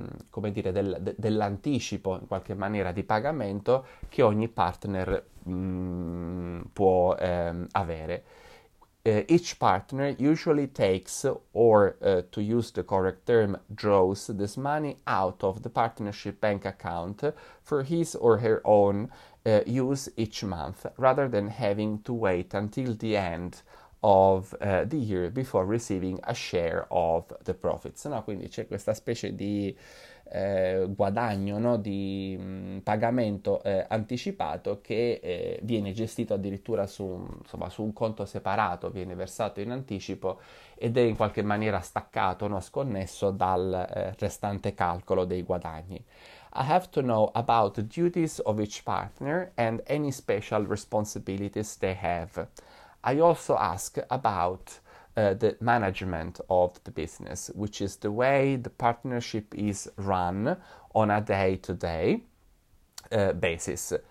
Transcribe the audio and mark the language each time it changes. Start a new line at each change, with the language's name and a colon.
Italian: Come dire, dell'anticipo in qualche maniera di pagamento che ogni partner può avere.
English: Each partner usually takes, or to use the correct term, draws this money out of the partnership bank account for his or her own use each month, rather than having to wait until the end of the year before receiving a share of the profits.
Italian: No, quindi c'è questa specie di guadagno, no? Di pagamento anticipato che viene gestito addirittura insomma, su un conto separato, viene versato in anticipo ed è in qualche maniera staccato, no? Sconnesso dal restante calcolo dei guadagni.
English: I have to know about the duties of each partner and any special responsibilities they have. I also ask about the management of the business, which is the way the partnership is run on a day-to-day basis.